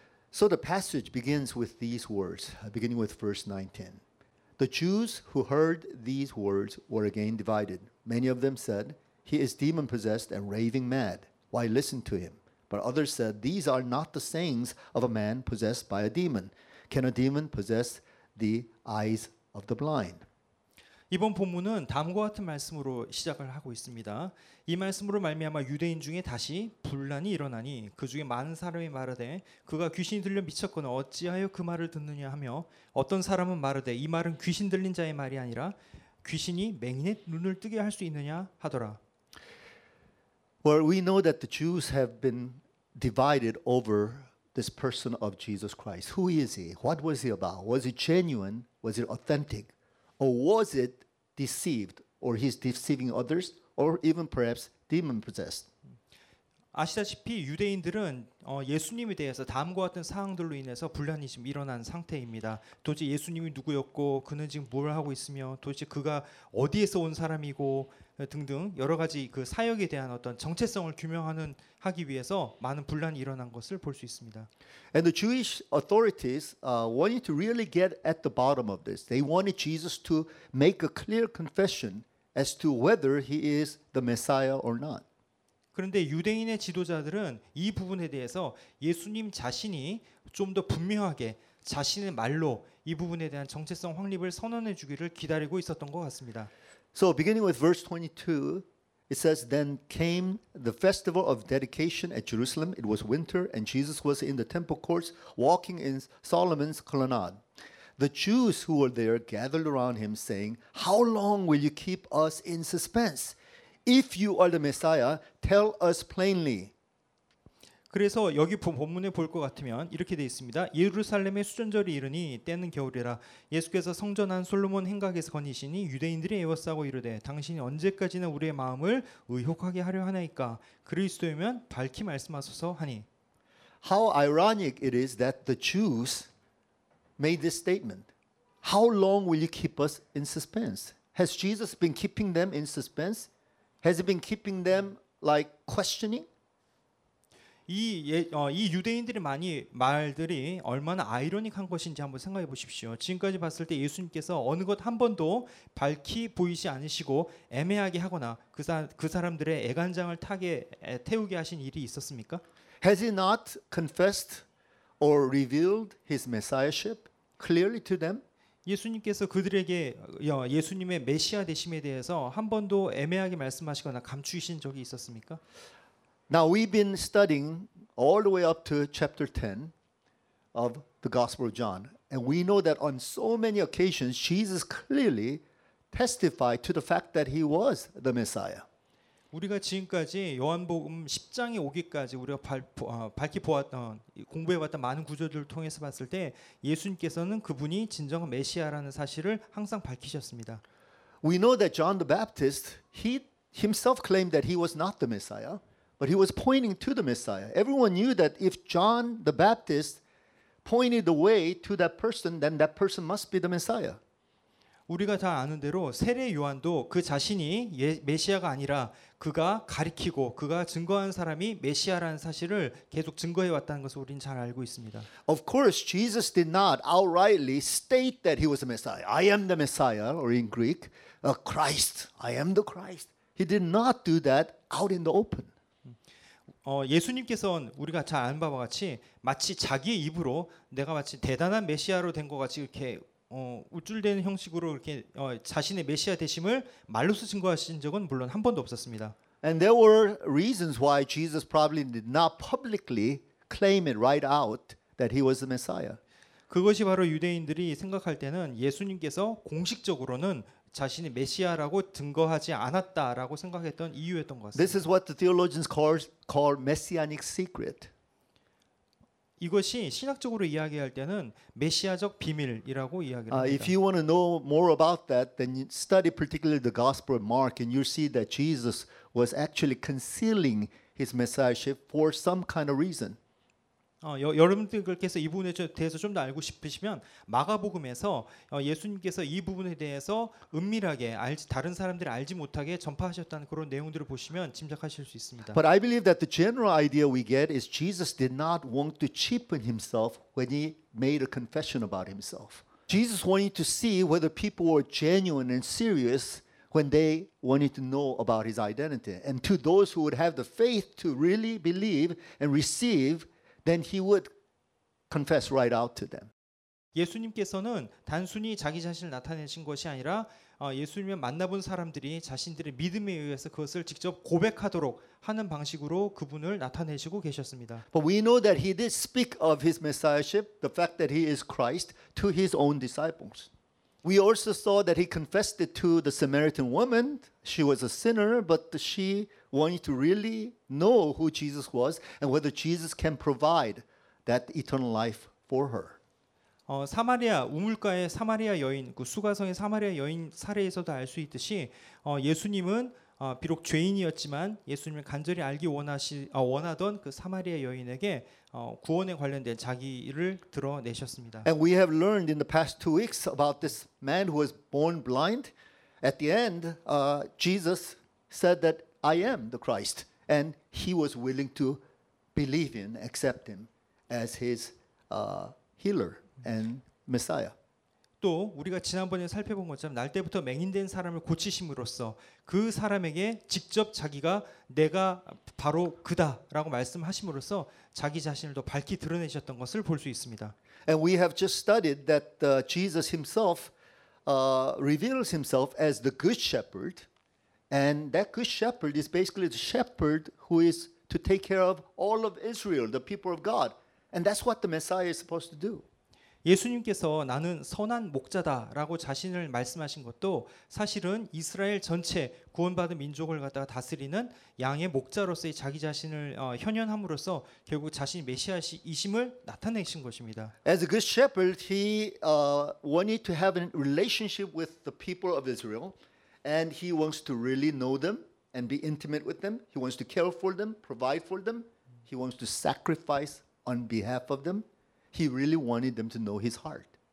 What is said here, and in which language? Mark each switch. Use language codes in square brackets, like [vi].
[en] So the passage begins with these words, beginning with verse 19. The Jews who heard these words were again divided. Many of them said, "He is demon-possessed and raving mad. Why listen to him?" But others said, "These are not the sayings of a man possessed by a demon. Can a demon possess the eyes of the blind?" [ko] 이번 본문은 다음과 같은 말씀으로 시작을 하고 있습니다. 이 말씀으로 말미암아 유대인 중에 다시 분란이 일어나니 그 중에 많은 사람이 말하되 그가 귀신이 들려 미쳤거나 어찌하여 그 말을 듣느냐 하며 어떤 사람은 말하되 이 말은 귀신 들린 자의 말이 아니라 귀신이 맹인의 눈을 뜨게 할 수 있느냐 하더라. [en] Well, we know that the Jews have been divided over this person of Jesus Christ. Who is he? What was he about? Was he genuine? Was it authentic? Or was it deceived, or he's deceiving others, or even perhaps demon-possessed? [ko] 아시다시피 유대인들은 예수님에 대해서 다음과 같은 사항들로 인해서 분란이 지금 일어난 상태입니다. 도대체 예수님이 누구였고 그는 지금 뭘 하고 있으며 도대체 그가 어디에서 온 사람이고 등등 여러 가지 그 사역에 대한 어떤 정체성을 규명하는 하기 위해서 많은 분란이 일어난 것을 볼 수 있습니다. [en] And the Jewish authorities wanted to really get at the bottom of this. They wanted Jesus to make a clear confession as to whether he is the Messiah or not. [ko] 그런데 유대인의 지도자들은 이 부분에 대해서 예수님 자신이 좀 더 분명하게 자신의 말로 이 부분에 대한 정체성 확립을 선언해 주기를 기다리고 있었던 것 같습니다. [en] So beginning with verse 22, It says, then came the festival of dedication at Jerusalem. It was winter, and Jesus was in the temple courts, walking in Solomon's colonnade. The Jews who were there gathered around him, saying, how long will you keep us in suspense? If you are the Messiah, tell us plainly. [ko] 그래서 여기 본문에 볼 것 같으면 이렇게 돼 있습니다. 예루살렘의 수전절이 이르니 때는 겨울이라 예수께서 성전한 솔로몬 행각에서 거니시니 유대인들이 에워싸고 이르되 당신이 언제까지나 우리의 마음을 의혹하게 하려 하나이까 그리스도이면 밝히 말씀하소서 하니. [en] How ironic it is that the Jews made this statement. How long will you keep us in suspense? Has Jesus been keeping them in suspense? Has he been keeping them like questioning? [ko] 이 유대인들의 많이 말들이 얼마나 아이러닉한 것인지 한번 생각해 보십시오. 지금까지 봤을 때 예수님께서 어느 것 한 번도 밝히 보이지 않으시고 애매하게 하거나 그 사람들의 애간장을 태우게 하신 일이 있었습니까? [en] Has he not confessed or revealed his messiahship clearly to them? [ko] 예수님께서 그들에게 예수님의 메시아 되심에 대해서 한 번도 애매하게 말씀하시거나 감추신 적이 있었습니까? [en] Now we've been studying all the way up to chapter 10 of the Gospel of John, and we know that on so many occasions Jesus clearly testified to the fact that he was the Messiah. [ko] 우리가 지금까지 요한복음 10장에 오기까지 우리가 밝히 보았던 공부해봤던 많은 구절들을 통해서 봤을 때 예수님께서는 그분이 진정한 메시아라는 사실을 항상 밝히셨습니다. [en] We know that John the Baptist he himself claimed that he was not the Messiah. But he was pointing to the Messiah. Everyone knew that if John the Baptist pointed the way to that person, then that person must be the Messiah. [ko] 우리가 다 아는 대로 세례 요한도 그 자신이 메시아가 아니라 그가 가리키고 그가 증거한 사람이 메시아라는 사실을 계속 증거해 왔다는 것을 우리는 잘 알고 있습니다. [en] Of course, Jesus did not outrightly state that he was the Messiah. I am the Messiah, or in Greek, Christ. I am the Christ. He did not do that out in the open. [ko] 예수님께서는 우리가 잘 아는 바와 같이 마치 자기의 입으로 내가 마치 대단한 메시아로 된 것 같이 이렇게 우쭐대는 형식으로 이렇게 자신의 메시아 되심을 말로써 증거하신 적은 물론 한 번도 없었습니다. [en] And there were reasons why Jesus probably did not publicly claim it right out that he was the Messiah. [ko] 그것이 바로 유대인들이 생각할 때는 예수님께서 공식적으로는 자신이 메시아라고 증거하지 않았다라고 생각했던 이유였던 것 같습니다. [en] This is what the theologians call messianic secret. [ko] 이것이 신학적으로 이야기할 때는 메시아적 비밀이라고 이야기합니다. [en] If you want to know more about that, then study particularly the Gospel of Mark, and you'll see that Jesus was actually concealing his messiahship for some kind of reason. [ko] 여러분들께서 이 부분에 대해서 좀 더 알고 싶으시면 마가복음에서 예수님께서 이 부분에 대해서 은밀하게 다른 사람들이 알지 못하게 전파하셨다는 그런 내용들을 보시면 짐작하실 수 있습니다. [en] But I believe that the general idea we get is Jesus did not want to cheapen himself when he made a confession about himself. Jesus wanted to see whether people were genuine and serious when they wanted to know about his identity. And to those who would have the faith to really believe and receive then he would confess right out to them. [ko] 예수님께서는 단순히 자기 자신을 나타내신 것이 아니라 예수님을 만나본 사람들이 자신들의 믿음에 의해서 그것을 직접 고백하도록 하는 방식으로 그분을 나타내시고 계셨습니다. [en] But we know that he did speak of his messiahship, the fact that he is Christ, to his own disciples. We also saw that he confessed it to the Samaritan woman. She was a sinner, but she wanted to really know who Jesus was and whether Jesus can provide that eternal life for her. [ko] 사마리아 우물가의 사마리아 여인, 그 수가성의 사마리아 여인 사례에서도 알 수 있듯이 예수님은 비록 죄인이었지만 예수님을 간절히 알기 원하던 그 사마리아 여인에게 구원에 관련된 자기를 드러내셨습니다. [en] And we have learned in the past 2 weeks about this man who was born blind. At the end, Jesus said that I am the Christ, and he was willing to believe in, accept him as his healer and Messiah. [ko] 또 우리가 지난번에 살펴본 것처럼 날 때부터 맹인된 사람을 고치심으로써 그 사람에게 직접 자기가 내가 바로 그다라고 말씀하심으로써 자기 자신을 더 밝히 드러내셨던 것을 볼 수 있습니다. [en] And we have just studied that Jesus himself reveals himself as the good shepherd. And that good shepherd is basically the shepherd who is to take care of all of Israel, the people of God. And that's what the Messiah is supposed to do. [ko] 예수님께서 나는 선한 목자다라고 자신을 말씀하신 것도 사실은 이스라엘 전체 구원받은 민족을 갖다가 다스리는 양의 목자로서의 자기 자신을 현현함으로써 결국 자신이 메시아이심을 나타내신 것입니다. [en] As a good shepherd, he wanted to have a relationship with the people of Israel, and he wants to really know them and be intimate with them. He wants to care for them, provide for them. He wants to sacrifice on behalf of them. He really wanted them to know his heart.